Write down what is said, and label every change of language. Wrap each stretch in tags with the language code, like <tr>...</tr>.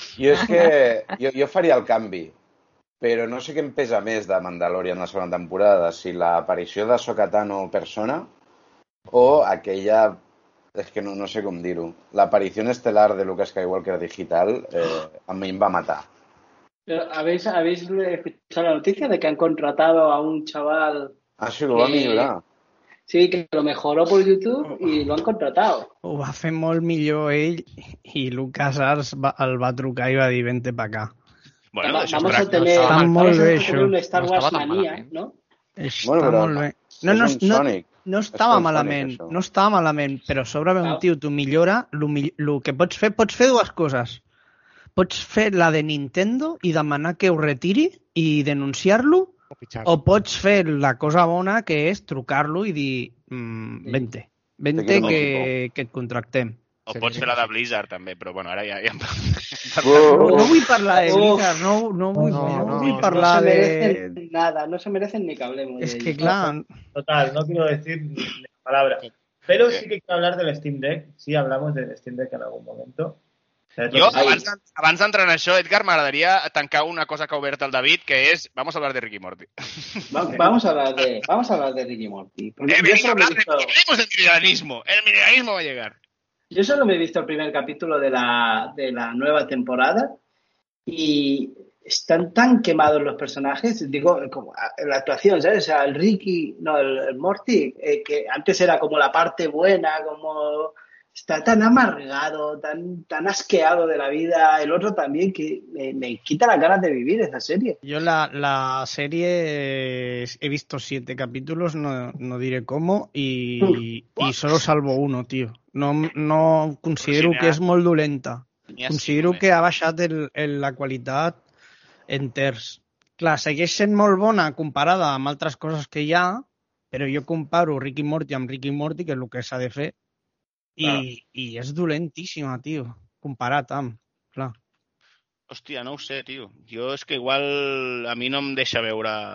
<ca>Jo és que jo faria el canvi, però no sé què em pesa més de Mandalorian la segona temporada, si l'aparició de Ahsoka Tano persona o aquella... És que no sé com dir-ho. L'aparició estel·lar de Lucas Skywalker digital a mi em va matar.</ca> <es>¿Habéis escuchado la noticia de que han contratado a un chaval? Ah, sí, lo va a millorar. Sí, que lo mejoró por YouTube y lo han contratado.</es> <ca>Ho va fer molt millor ell i LucasArts el va trucar i va dir</ca> <es>vente pa acá. Bueno, vamos a tener un Star Wars mania, ¿no?</es> <ca>Està molt bé. No estava malament, Sonic, no estava malament, però sobre un tio t'ho millora, lo que pots fer dues coses. Pots fer la de Nintendo i demanar que ho retiri i denunciar-lo, o pots fer la cosa bona que és trucar-lo i dir, vente que et contractem. O pots fer la de Blizzard, també, però bueno, ara ja... ja... No vull parlar de Blizzard, no vull parlar de...</ca> <es>No se merecen nada, no se merecen ni que hablemos.</es> <ca>És que, clar...</ca> <es>Total, no quiero decir ni palabra. Pero sí que quiero hablar del Steam Deck. Sí, hablamos del Steam Deck en algún momento.</es> <ca>Yo, abans d'entrar en això, Edgar, m'agradaria tancar una cosa que ha obert el David, que és...</ca> <es>Vamos a hablar de Rick y Morty. Vamos a hablar de Rick y Morty. Hablemos del mineralismo. El mineralismo va a llegar. Yo solo me he visto el primer capítulo de la nueva temporada y están tan quemados los personajes, digo, como la actuación, ¿sabes? O sea, el Ricky, no, el Morty, que antes era como la parte buena, como está tan amargado, tan asqueado de la vida, el otro también, que me quita las ganas de vivir esa serie. Yo la serie he visto 7 capítulos, no diré cómo, y solo salvo uno, tío. No considero que es muy dolenta. Considero que ha bajado la cualidad en terç.</es> <ca>Clar, segueix sent molt bona comparada amb altres coses que hi ha, però jo comparo Rick y Morty amb Rick y Morty, que és el que s'ha de fer, i és dolentíssima, tio, comparat amb, clar. Hòstia, no ho sé, tio. Jo és que igual a mi no em deixa veure...</ca>